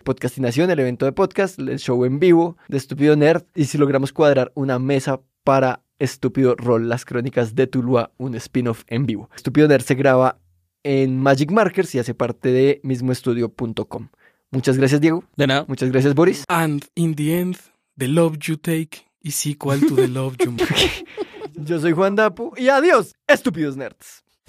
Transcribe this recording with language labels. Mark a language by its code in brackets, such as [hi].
[es] Podcastinación, el evento de podcast, el show en vivo de Estúpido Nerd. Y si logramos cuadrar una mesa para Estúpido Roll, las crónicas de Tuluá, un spin-off en vivo. Estúpido Nerd se graba en Magic Markers y hace parte de mismoestudio.com. Muchas gracias, Diego. De nada. Muchas gracias, Boris. [en] And in the end, the love you take is equal to the love you make. [es] Yo soy Juan Dapu y adiós, estúpidos nerds.